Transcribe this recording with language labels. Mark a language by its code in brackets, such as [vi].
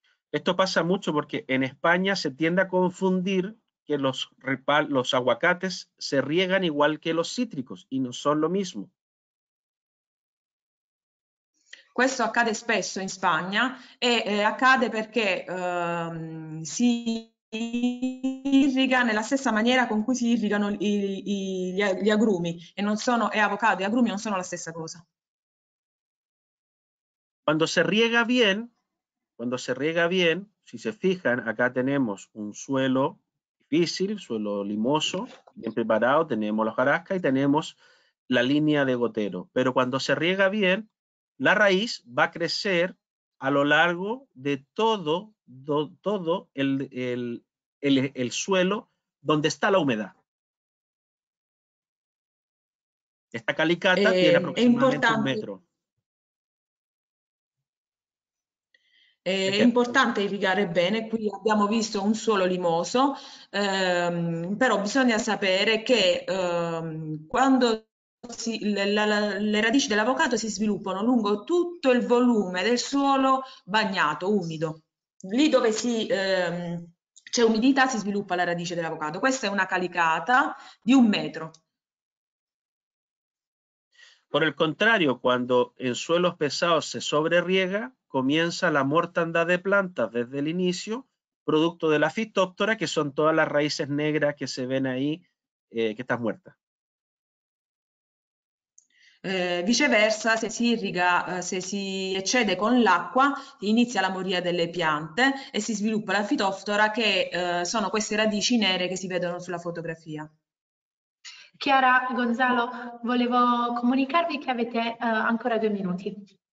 [es] Esto pasa mucho porque en España se tiende a confundir que los aguacates se riegan igual que los cítricos y no son lo mismo. [it] Questo accade spesso in Spagna e accade perché si irriga nella stessa maniera con cui si irrigano gli agrumi e non sono e avocado e agrumi non sono la stessa cosa. Quando si [es] riega bien, si se fijan, acá tenemos un suelo difícil, suelo limoso, bien preparado, tenemos la hojarasca y tenemos la línea de gotero, pero cuando se riega bien la raíz va a crecer a lo largo de todo el suelo donde está la humedad. Esta calicata tiene aproximadamente un [it] importante. [es] metro. [it] È importante irrigare bene, qui abbiamo visto un suolo limoso, però bisogna sapere che quando le radici dell'avocado si sviluppano lungo tutto il volume del suolo bagnato, umido, lì dove c'è umidità si sviluppa la radice dell'avocado. Questa è una calicata di un metro. [es] Por el contrario, cuando en suelos pesados se sobreriega, comienza la mortandad de plantas desde el inicio, producto de la fitóptora, que son todas las raíces negras que se ven ahí, que están muertas. [it] Viceversa, se si irriga, se si eccede con l'acqua, inizia la moria delle piante e si sviluppa la fitoftora, che sono queste radici nere che si vedono sulla fotografia. Chiara, Gonzalo, volevo comunicarvi che avete ancora 2 minuti.